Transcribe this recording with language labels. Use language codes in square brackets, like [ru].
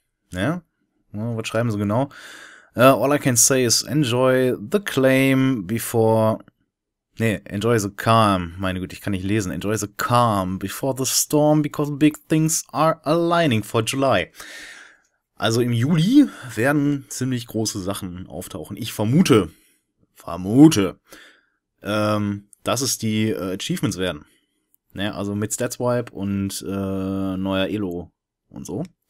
[de] Ja, was schreiben sie genau? [en] All I can say is enjoy the claim before. Nee, enjoy the calm. [de] Meine Güte, ich kann nicht lesen. [en] Enjoy the calm before the storm, because big things are aligning for July. [de] Also im Juli werden ziemlich große Sachen auftauchen. Ich vermute. Vermute. Dass es die Achievements werden. Naja, also mit Statswipe und neuer Elo und so.